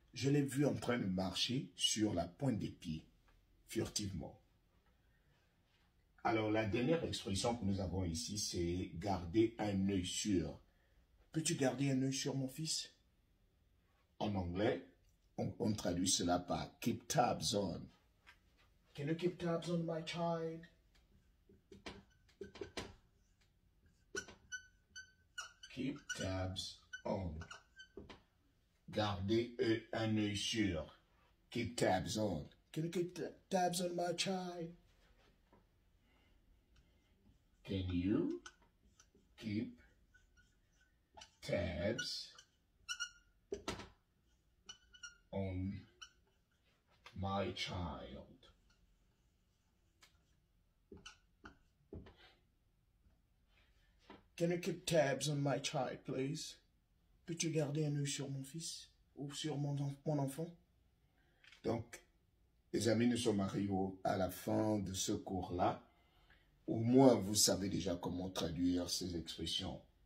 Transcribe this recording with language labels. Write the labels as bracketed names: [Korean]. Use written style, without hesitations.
[French] Je l'ai vu en train de marcher sur la pointe des pieds, furtivement. Alors, la dernière expression que nous avons ici, c'est garder un œil sûr. Peux-tu garder un œil sur mon fils? En anglais, on traduit cela par keep tabs on. [English] Can you keep tabs on my child? Keep tabs on. [French] Garder un œil sûr. [English] Keep tabs on. Can you keep tabs on my child? Can you keep tabs on my child. Can I keep tabs on my child, please? [French] Peux-tu garder un œil sur mon fils ou sur mon enfant? Donc, les amis, nous sommes arrivés à la fin de ce cours-là. Au moins, vous savez déjà comment traduire ces expressions.